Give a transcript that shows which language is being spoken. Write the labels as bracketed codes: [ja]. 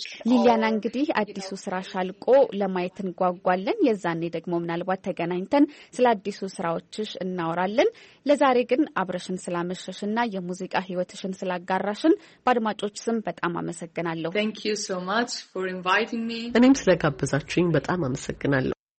[am] ሊሊያና እንግዲህ አዲሱ ስራሽ አልቆ ለማየት እንጓጓለን። የዛኔ ደግሞ ምናልባት ተገናኝተን ስለ አዲሱ ስራዎችሽ እናወራለን። ለዛሬ ግን አብረሽን ስላመሸሽ እና የሙዚቃ ህይወትሽን ስላጋራሽን በአድማጮች ስም በጣም አመሰግናለሁ። [en] Thank you so much for inviting me. [am] እኔም ስለጋበዛችሁኝ በጣም አመሰግናለሁ።